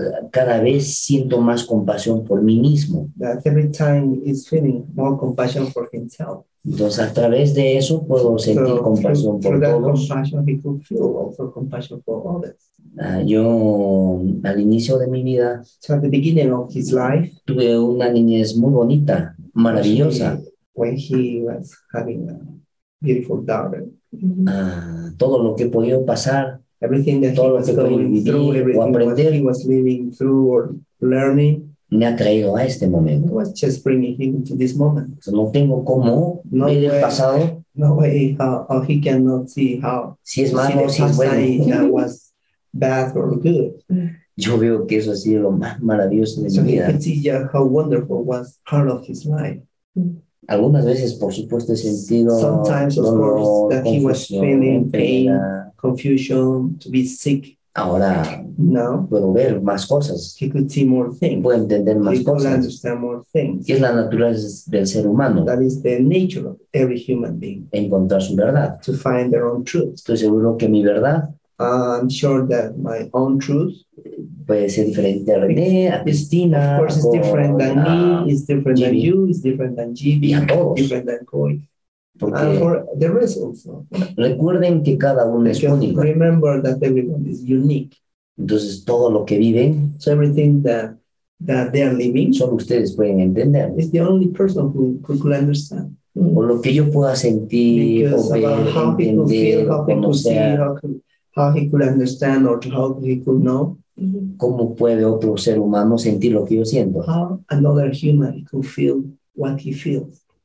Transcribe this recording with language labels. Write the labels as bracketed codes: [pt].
[es] Cada vez siento más compasión por mí mismo. [en] That every time he's feeling more compassion for himself. [es] Entonces a través de eso puedo sentir compasión por todos. [en] Compassion, he could feel also compassion for others. [es] Yo al inicio de mi vida, [en] so at the beginning of his life, [es] tuve una niñez muy bonita, maravillosa. [en] When he was having a beautiful daughter. [es] Todo lo que he podido pasar, [en] everything that [es] todo lo que [en] he [es] podido vivir o aprender, [en] he was living through or learning. [es] Me ha traído a este momento. [en] Was just bringing him to this moment. [es] So no tengo cómo ver el pasado. [en] No way. How he cannot see how. [es] Si es malo o si es bueno. [en] That was bad or good. [es] Yo veo que eso ha sido lo más maravilloso de mi vida. [en] So he could see how wonderful was part of his life. [es] Algunas veces, por supuesto, he sentido [en] sometimes, [es] dolor, [en] of course, that he was feeling pain, confusion, to be sick. [es] Ahora [en] now, [es] puedo ver más cosas. [en] He could see more things. [es] Puedo entender más [en] he [es] cosas. [en] Could understand more things. [es] Y es la naturaleza del ser humano. [en] That is the nature of every human being. [es] Encontrar su verdad. [en] To find their own truth. [es] Estoy seguro que mi verdad. [en] I'm sure that my own truth. [es] Puede ser diferente a René, a Cristina. [en] Of course, it's different than me. It's different than you. It's different than GB. [es] Y a todos. [en] Different than Koi. [es] Porque [en] and for the rest also. [es] Recuerden que cada uno [en] because [es] es único. [en] Remember that everyone is unique. [es] Entonces todo lo que viven. [en] So everything that they are living. [es] Solo ustedes pueden entender. [en] It's the only person who could understand. [es] O lo que yo pueda sentir. [en] Because [es] o ver, [en] about how [es] entender, [en] people feel, how people [es] conocer, [en] see, how he could understand or how he could know. [es] ¿Cómo puede otro ser humano sentir lo que yo siento? [en] How another human could feel what he feels.